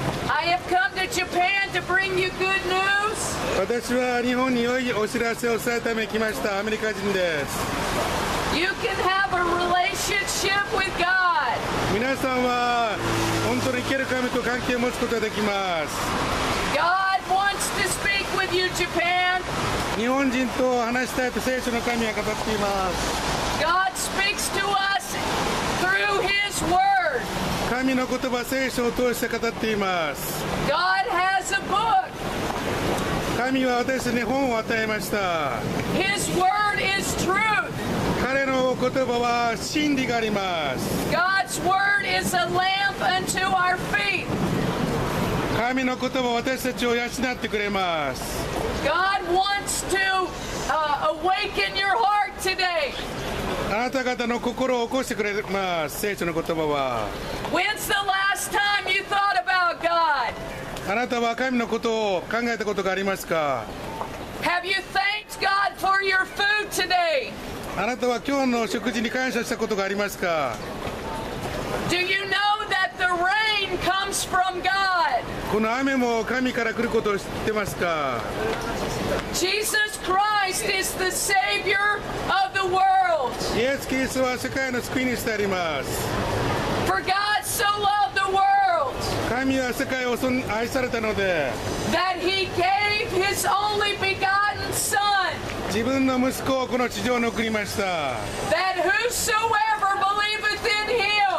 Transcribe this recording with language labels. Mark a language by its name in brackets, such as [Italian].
[English] I have come to Japan to bring you good news. [Japanese] 私は日本に良いお知らせを伝えるために来ました。アメリカ人です。 [English] You can have a relationship with God. [Japanese] 皆さんは本当に生きる神と関係を持つことができます。 [English] God wants to speak with you, Japan. [Japanese] 日本人と話したいと聖書の神は語っています。 [English] God speaks to us through His Word. [Japanese] 神の言葉は聖書を通して語っています。 [English] God has a book. [Japanese] 神は私に本を与えました。 [English] His Word is truth. [Japanese] 彼の言葉は真理があります。 [English] God's word is a lamp unto our feet. [Japanese] 神の言葉は私たちを養ってくれます。 [English] God wants to awaken your heart today. [Japanese] あなた方の心を起こしてくれます。聖書の言葉は [English] When's the last time you thought about God? [Japanese] あなたは神のことを考えたことがありますか。 [English] Have you thanked God for your food today? [Japanese] あなたは今日の食事に感謝したことがありますか。 [English] Do you know that the rain comes from God? [Japanese] この雨も神から来ることを知ってますか。 [English] Jesus Christ is the Savior of the world. [Japanese] イエス・キリストは世界の救い主であります。 [English] For God so loved the world. [Japanese] 神は世界を愛されたので、 [English] That He gave His only begotten Son. [Japanese] 自分の息子をこの地上に送りました。 [English] That whosoever believeth in him